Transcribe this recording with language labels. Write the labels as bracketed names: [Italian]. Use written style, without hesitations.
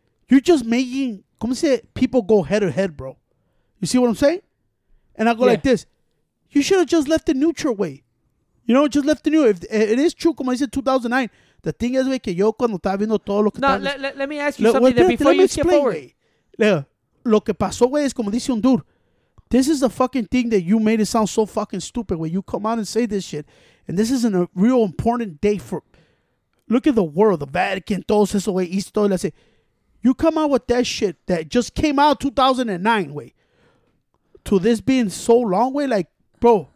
[English] You're just making, [Spanish] como se dice, [English] people go head to head, bro. You see what I'm saying? And I go like this. You should have just left the neutral way. You know, just left the new. If it is true, [Spanish] como dice [English] 2009, the thing is, wey, [Spanish] que yo cuando estaba viendo todo lo que... [English] No, let me ask you something before you skip over. [Spanish] Lo que pasó, wey, es como dice un dude. [English] This is the fucking thing that you made it sound so fucking stupid when you come out and say this shit. And this is a real important day for... Look at the world, the Vatican, [Spanish] todos esos, wey, historia. [English] Say, you come out with that shit that just came out 2009, wey. To this being so long, wey, like, bro.